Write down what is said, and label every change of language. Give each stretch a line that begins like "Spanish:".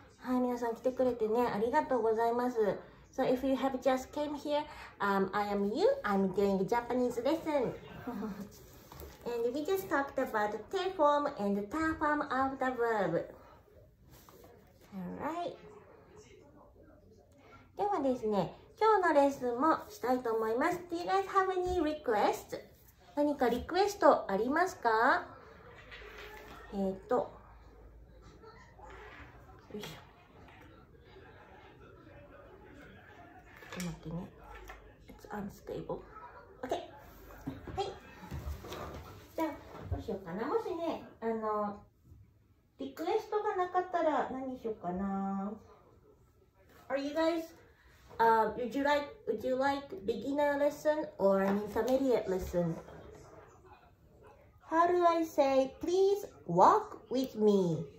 Japanese: はい。はい、皆さん来てくれてね、ありがとうございます。
English: So if you have just came here, I am you. I'm doing a Japanese lesson. And we just talked about the te form and the ta form of the verb. Alright.
Japanese: ではですね、今日のレッスンもしたいと思います。
English: Do you guys have any requests?
Japanese: 何かリクエストありますか? よいしょ。ちょっと待ってね。
English: It's unstable. OK!
Japanese: はい。じゃあ、どうしようかな。もしね、リクエストがなかったら何しようかな。
English: Are you guys, would you like beginner lesson or an intermediate lesson? How do I say, please walk with me?